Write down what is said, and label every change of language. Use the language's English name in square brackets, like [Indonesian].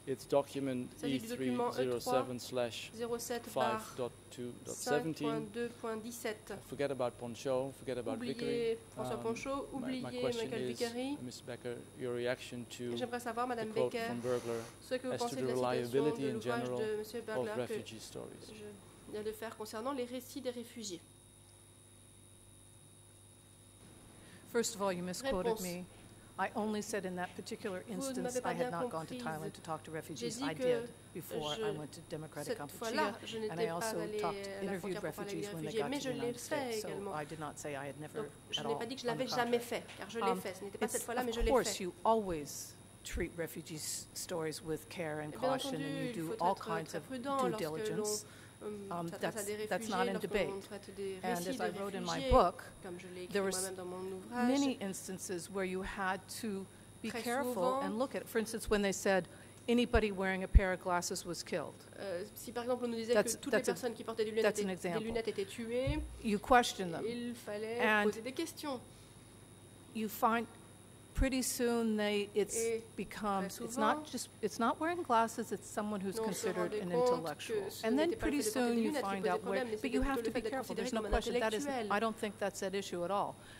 [English] It's document E307/5.2.17. Forget about Panchaud, forget about Vickery. [French] François Panchaud, oubliez Michael Vickery. [English] Ms. Becker, your reaction to the quote from Berkler as to the reliability in general of refugee stories. [French] Je viens de faire concernant les récits des réfugiés. [English] First of all, you misquoted me. I only said in that particular instance I had not gone to Thailand to talk to refugees. I did before I went to Democratic Kampuchea, and I also interviewed refugees when they got to the United States, so I did not say I had never at all. [French] Je l'avais jamais fait, car je l'ai fait. Ce n'était pas cette fois-là, mais je l'ai fait. [English] Of course, you always treat refugees' stories with care and caution, and you do all kinds of due diligence. That's not in debate. And as I wrote in my book, there were many instances where you had to be careful and look at it. For instance, when they said anybody wearing a pair of glasses was killed. [French] Si par exemple on nous disait que toutes les personnes qui portaient des lunettes étaient tuées, [English] you question them. [French] Il fallait poser des questions. [English] You find pretty soon it's not wearing glasses, it's someone who's considered an intellectual. And then pretty soon you find out where, but you have to be careful, there's no question, that is, I don't think that's at issue at all.